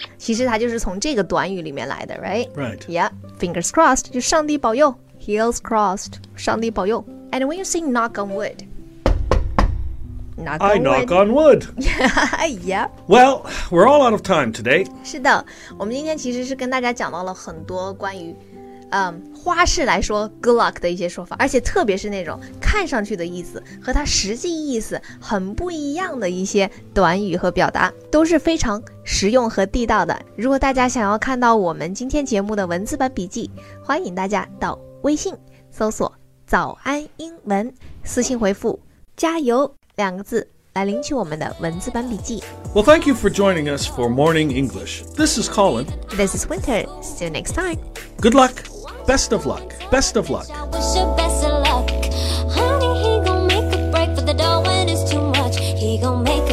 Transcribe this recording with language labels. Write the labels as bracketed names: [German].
[Chinese] 其实它就是从这个短语里面来的 [English] right? Right. Yeah. Fingers crossed. [Chinese] 就上帝保佑 [English] Heels crossed. [Chinese] 上帝保佑 [English] And when you say knock on wood. Knock on wood. Yeah. Well, we're all out of time today. [Chinese] 是的我们今天其实是跟大家讲到了很多关于花式来说 good luck 的一些说法而且特别是那种看上去的意思和它实际意思很不一样的一些短语和表达都是非常实用和地道的如果大家想要看到我们今天节目的文字版笔记欢迎大家到微信搜索早安英文私信回复加油两个字来领取我们的文字版笔记 [English] Well, thank you for joining us for Morning English. This is Colin. This is Winter. See you next time. Good luck. Best of luck. Best of luck. Best of luck. Honey, he gon' make a break for the dough when it's too much. He gon' make